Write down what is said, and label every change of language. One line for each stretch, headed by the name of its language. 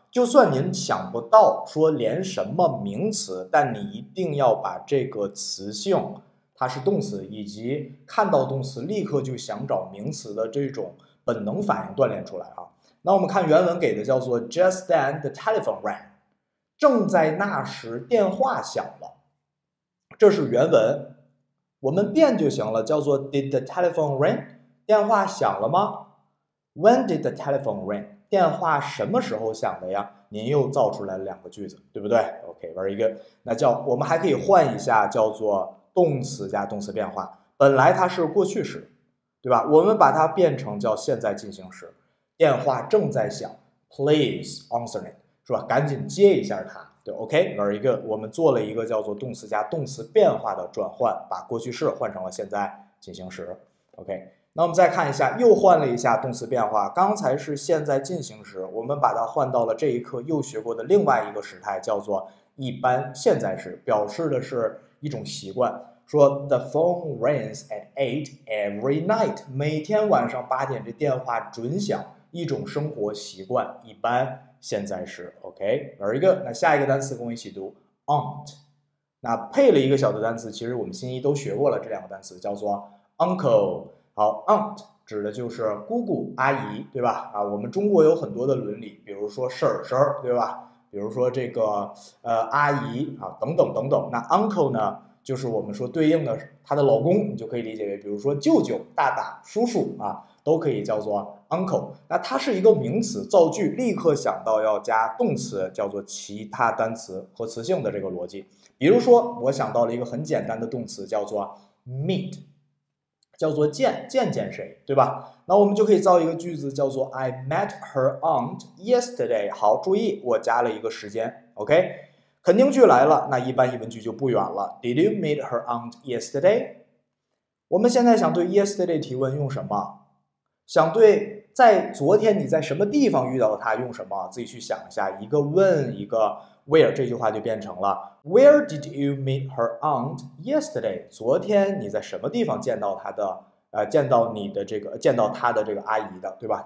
Chinese: 就算您想不到说连什么名词，但你一定要把这个词性，它是动词，以及看到动词立刻就想找名词的这种本能反应锻炼出来啊。那我们看原文给的叫做
English: "Just then the telephone rang"，
Chinese: 正在那时电话响了。这是原文，我们变就行了，叫做
English: "Did the telephone ring？"
Chinese: 电话响了吗？
English: When did the telephone ring？
Chinese: 电话什么时候响的呀？您又造出来了两个句子，对不对？OK，
English: very good。
Chinese: 那叫我们还可以换一下，叫做动词加动词变化。本来它是过去时，对吧？我们把它变成叫现在进行时。电话正在响，
English: Please answer it，
Chinese: 是吧？赶紧接一下它。对，OK，
English: very good。
Chinese: 我们做了一个叫做动词加动词变化的转换，把过去式换成了现在进行时。 OK。那我们再看一下，又换了一下动词变化。刚才是现在进行时，我们把它换到了这一刻又学过的另外一个时态，叫做一般现在时，表示的是一种习惯。
English: 说 The phone rings at 8 every night，
Chinese: 每天晚上8点这电话准响。一种生活习惯，一般现在时。
English: OK, very good.
Chinese: 那下一个单词跟我一起读 aunt。那配了一个小的单词，其实我们新一都学过了，这两个单词叫做 uncle。好， aunt 指的就是姑姑阿姨，对吧？啊，我们中国有很多的伦理，比如说婶婶，对吧？比如说这个阿姨啊，等等等等。那 uncle 呢，就是我们说对应的他的老公，你就可以理解为比如说舅舅、大大、叔叔啊，都可以叫做 uncle。那它是一个名词造句，立刻想到要加动词，叫做其他单词和词性的这个逻辑。比如说我想到了一个很简单的动词叫做 meet, 叫做见谁，对吧？那我们就可以造一个句子叫做
English: I met her aunt yesterday。
Chinese: 好，注意我加了一个时间， OK。肯定句来了，那一般疑问句就不远了。
English: Did you meet her aunt yesterday?
Chinese: 我们现在想对 yesterday 提问用什么，想对在昨天你在什么地方遇到她用什么，自己去想一下，一个问一个 where, 这句话就变成了
English: Where did you meet her aunt yesterday?
Chinese: 昨天你在什么地方见到她的见到你的这个见到她的这个阿姨的，对吧？